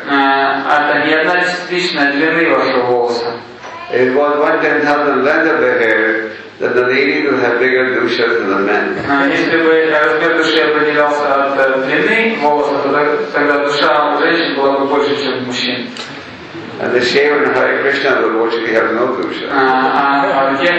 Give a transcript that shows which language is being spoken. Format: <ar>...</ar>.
<ru>Это не 1/10 длины вашего волоса.</ru> <en>If it was 1/10 of the length of the hair, then the ladies would have bigger dushas than the men.</en> <ru>Если бы размер души определялся от длины волоса, тогда душа у женщин была бы больше, чем у мужчин.</ru> <en>And the shaman Hare Krishna would virtually have no dusha.</en>